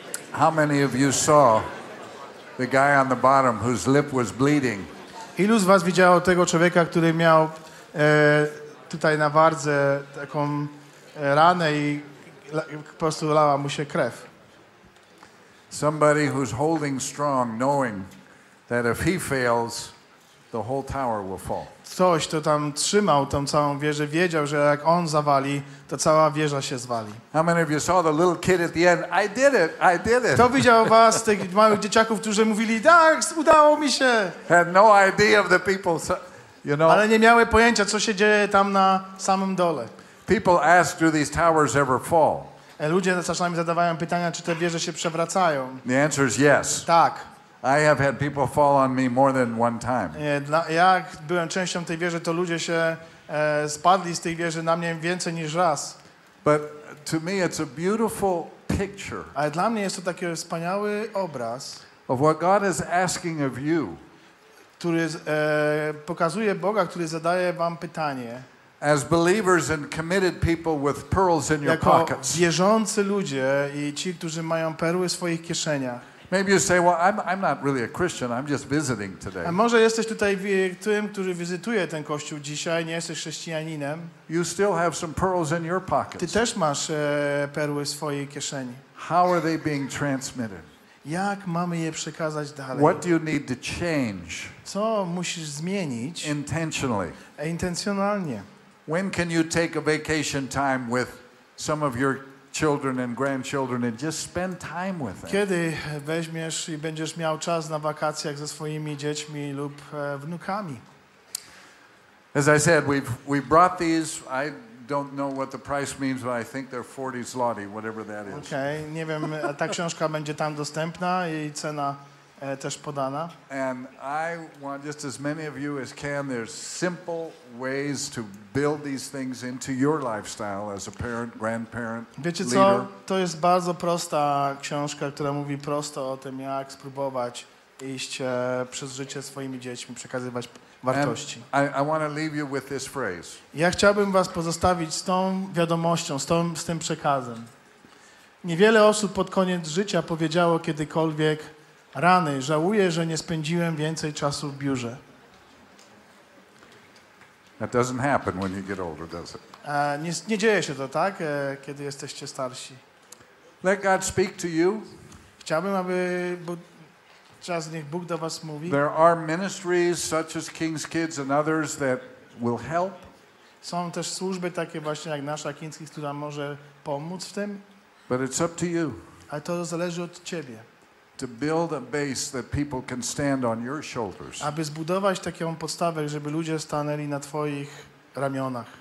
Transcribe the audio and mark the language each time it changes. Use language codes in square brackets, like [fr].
[en] How many of you saw the guy on the bottom whose lip was bleeding? [pl] Ilu z was widziało tego człowieka, który miał tutaj na wardze taką ranę i po prostu lała mu się krew? [en] Somebody who's holding strong, knowing that if he fails, the whole tower will fall. [pl] Ktoś, kto tam trzymał tą całą wieżę, wiedział, że jak on zawali, to cała wieża się zwali. [en] How many of you saw the little kid at the end? I did it, I did it. [pl] Kto widział was, tych małych dzieciaków, którzy mówili, tak, udało mi się. [en] Had no idea of the people, you know. [pl] Ale nie miały pojęcia, co się dzieje tam na samym dole. [en] People ask, do these towers ever fall? [pl] Ludzie czasami zadawają pytania, czy te wieże się przewracają. [en] The answer is yes. [pl] Tak. [en] I have had people fall on me more than one time. [pl] Ja byłem częścią tej wieży, to ludzie się spadli z tej wieży na mnie więcej niż raz. [en] But to me it's a beautiful picture. [pl] A dla mnie jest to taki wspaniały obraz. [en] Of what God is asking of you. [pl] Który pokazuje Boga, który zadaje wam pytanie. [en] As believers and committed people with pearls in your pockets. [pl] Jako wierzący ludzie i ci, którzy mają perły w swoich kieszeniach. [en] Maybe you say, "Well, I'm not really a Christian. I'm just visiting today." [pl] A może jesteś tutaj tym, który wizytuje ten kościół dzisiaj, nie jesteś chrześcijaninem. [en] You still have some pearls in your pockets. [pl] Ty też masz perły w swojej kieszeni. [en] How are they being transmitted? [pl] Jak mamy je przekazać dalej? [en] What do you need to change? [pl] Co musisz zmienić? [en] Intentionally. [pl] Intencjonalnie. [en] When can you take a vacation time with some of your children and grandchildren and just spend time with them? [pl] Kiedy weźmiesz i będziesz miał czas na wakacjach ze swoimi dziećmi lub wnukami? [en] As I said, we brought these. I don't know what the price means, but I think they're 40 zloty, whatever that is. [pl] Okay, nie wiem, ta książka będzie tam dostępna i cena też podana. [en] And I want just as many of you as can, there's simple ways to build these things into your lifestyle as a parent, grandparent, leader. [pl] Wiecie co? To jest bardzo prosta książka, która mówi prosto o tym, jak spróbować iść przez życie swoimi dziećmi, przekazywać wartości. [en] I want to leave you with this phrase. [pl] Ja chciałbym was pozostawić z tą wiadomością, z tym przekazem. Niewiele osób pod koniec życia powiedziało kiedykolwiek: rany, żałuję, że nie spędziłem więcej czasu w biurze. [en] That doesn't happen when you get older, does it? [pl] Nie dzieje się to, tak, kiedy jesteście starsi. [en] Let God speak to you. [pl] Chciałbym, aby czas niech Bóg do was mówi. [en] There are ministries such as King's Kids and others that will help. [pl] Są też służby takie właśnie jak nasza Kińskich, która może pomóc w tym. [en] But it's up to you. [pl] Ale to zależy od ciebie. [en] To build a base that people can stand on your shoulders. [pl] Aby zbudować taką podstawę, żeby ludzie stanęli na twoich ramionach.